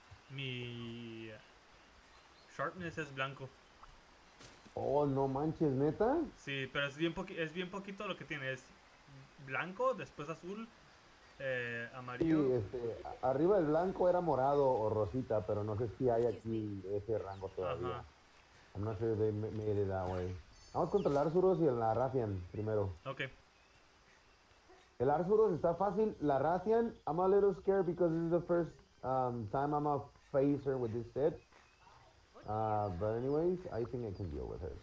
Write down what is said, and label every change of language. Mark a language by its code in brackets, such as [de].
[es] Mi sharpness es blanco. Oh, no manches, ¿neta? Sí, pero es bien poquito lo que tiene. Es blanco, después azul, amarillo. Sí, arriba el blanco era morado o rosita, pero no sé si hay aquí ese rango todavía. Ajá. [en] I'm not sure if they made it that way. [es] Vamos contra el Arsuros y el Arathian primero. [en] Ok. [es] El Arsuros está fácil. [en] La Arathian, I'm a little scared because this is the first time I'm a facer with this set. But anyways, I think I can deal with it.